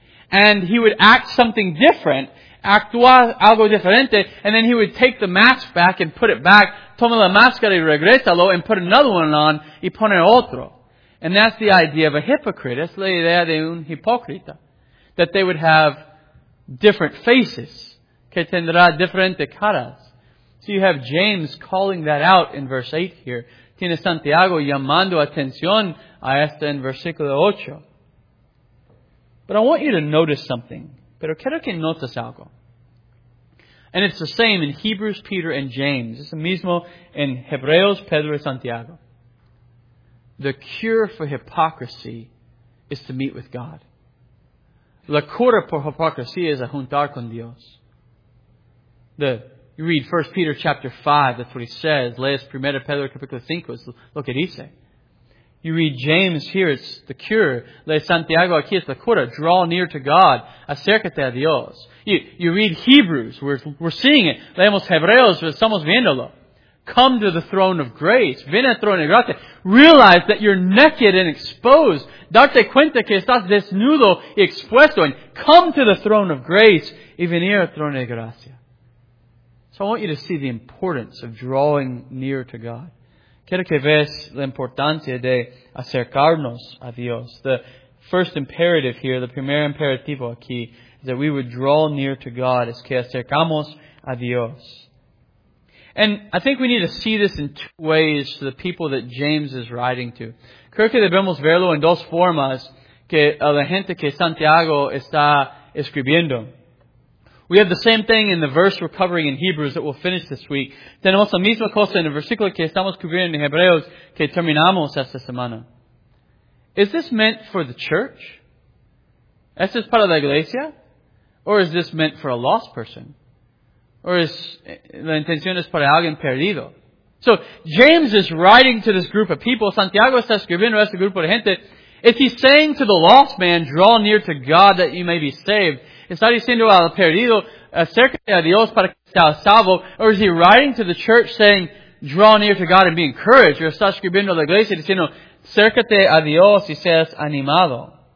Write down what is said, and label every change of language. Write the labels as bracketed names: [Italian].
[English] And he would act something different, [Spanish] actuar algo diferente, [English] and then he would take the mask back and put it back, [Spanish] toma la máscara y regresalo, [English] and put another one on, [Spanish] y pone otro. [English] And that's the idea of a hypocrite. [Spanish] Es la idea de un hipócrita. [English] That they would have different faces, [Spanish] que tendrá diferentes caras. [English] So you have James calling that out in verse 8 here. [Spanish] Tiene Santiago llamando atención a esta en versículo 8. [English] But I want you to notice something. [Spanish] Pero quiero que notes algo. [English] And it's the same in Hebrews, Peter, and James. [Spanish] Es el mismo en Hebreos, Pedro, y Santiago. [English] The cure for hypocrisy is to meet with God. [Spanish] La cura por hipocresía es a juntar con Dios. [English] You read 1 Peter chapter 5, that's what he says. [Spanish] Lees 1 Pedro capítulo 5, es lo que dice. [English] You read James here, it's the cure. [Spanish] Lees Santiago aquí, es la cura. [English] Draw near to God. [Spanish] Acércate a Dios. [English] You read Hebrews, we're seeing it. [Spanish] Leemos Hebreos, estamos viéndolo. [English] Come to the throne of grace. [Spanish] Ven al trono de gracia. [English] Realize that you're naked and exposed. [Spanish] Darte cuenta que estás desnudo y expuesto. [English] And come to the throne of grace [Spanish] y venir al trono de gracia. [English] So I want you to see the importance of drawing near to God. [Spanish] Quiero que veas la importancia de acercarnos a Dios. [English] The first imperative here, the [Spanish] primer imperativo aquí, [English] is that we would draw near to God. [Spanish] Es que acercamos a Dios. [English] And I think we need to see this in two ways to the people that James is writing to. [Spanish] Creo que debemos verlo en dos formas que a la gente que Santiago está escribiendo. [English] We have the same thing in the verse we're covering in Hebrews that we'll finish this week. [Spanish] Tenemos la misma cosa en el versículo que estamos cubriendo en Hebreos que terminamos esta semana. [English] Is this meant for the church? [Spanish] ¿Esto es para la iglesia? [English] Or is this meant for a lost person? [Spanish] Or is la intención es para alguien perdido? [English] So James is writing to this group of people. [Spanish] Santiago está escribiendo a este grupo de gente. [English] If he's saying to the lost man, draw near to God that you may be saved, [Spanish] está diciendo al perdido, acércate a Dios para que sea salvo. [English] Or is he writing to the church saying, draw near to God and be encouraged? Or [Spanish] está escribiendo a la iglesia diciendo, acércate a Dios y seas animado.